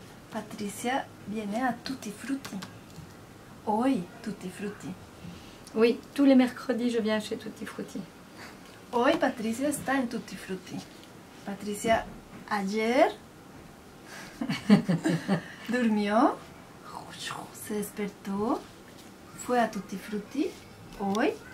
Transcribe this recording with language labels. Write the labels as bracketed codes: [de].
[es] Patricia, viene a Tutti Frutti. [pt] Oi, Tutti Frutti. [fr] Oui, tous les mercredis, je viens chez Tutti Frutti. [es] Oui, Patricia está en Tutti Frutti. Patricia, ayer, durmió, se despertó, fue a Tutti Frutti, hoy.